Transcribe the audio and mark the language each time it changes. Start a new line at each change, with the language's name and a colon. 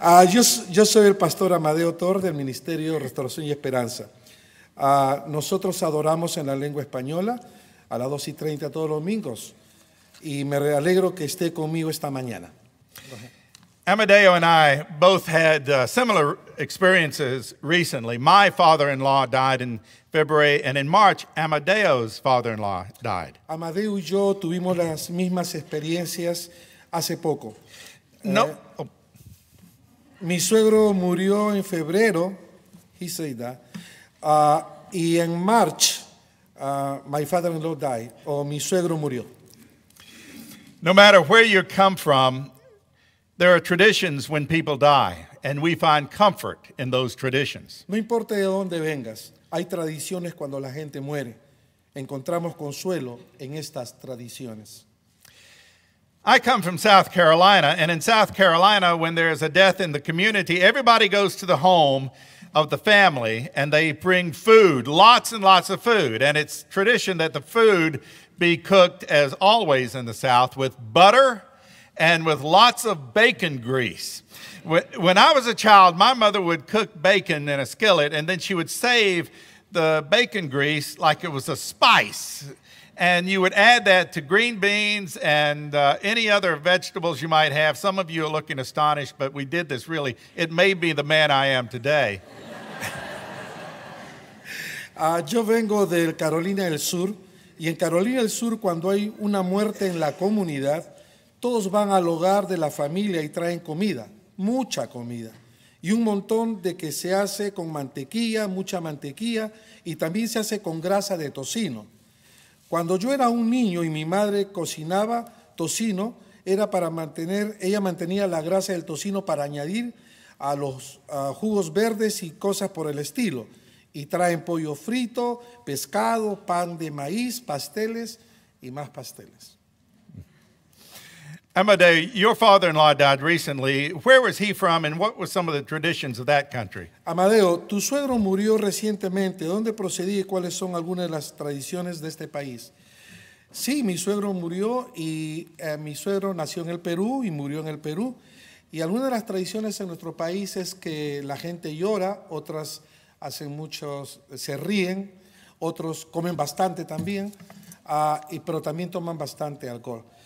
Spanish: Yo soy el pastor Amadeo Torres del Ministerio de Restauración y Esperanza. Nosotros adoramos en la lengua española a las 2:30 todos los domingos y me alegro que esté conmigo esta mañana.
English: Amadeo and I both had similar experiences recently. My father-in-law died in February, and in March, Amadeo's father-in-law died.
Spanish: Amadeo y yo tuvimos las mismas experiencias hace poco. No. Mi suegro murió en febrero,
English: he said that,
Spanish: y en
English: March, my father-in-law died,
Spanish: o mi suegro murió.
English: No matter where you come from, there are traditions when people die, and we find comfort in those traditions.
Spanish: No importa de dónde vengas, hay tradiciones cuando la gente muere. Encontramos consuelo en estas tradiciones.
English: I come from South Carolina, and in South Carolina, when there is a death in the community, everybody goes to the home of the family, and they bring food, lots and lots of food. And it's tradition that the food be cooked, as always in the South, with butter and with lots of bacon grease. When I was a child, my mother would cook bacon in a skillet, and then she would save the bacon grease like it was a spice. And you would add that to green beans and any other vegetables you might have. Some of you are looking astonished, but we did this really. It made me the man I am today.
Spanish: Yo vengo de Carolina del Sur, Y en Carolina del Sur, cuando hay una muerte en la comunidad, todos van al hogar de la familia y traen comida, mucha comida. Y un montón de que se hace con mantequilla, mucha mantequilla, y también se hace con grasa de tocino. Cuando yo era un niño y mi madre cocinaba tocino, era para mantener, ella mantenía la grasa del tocino para añadir a los jugos verdes y cosas por el estilo. Y traen pollo frito, pescado, pan de maíz, pasteles y más pasteles.
English: Amadeo, your father-in-law died recently. Where was he from and what were some of the traditions of that country?
Spanish: Amadeo, tu suegro murió recientemente. ¿Dónde procedí y cuáles son algunas de las tradiciones de este país? Sí, mi suegro murió y mi suegro nació en el Perú y murió en el Perú. Y algunas de las tradiciones en nuestro país es que la gente llora, otras hacen muchos, se ríen, otros comen bastante también, pero también toman bastante alcohol.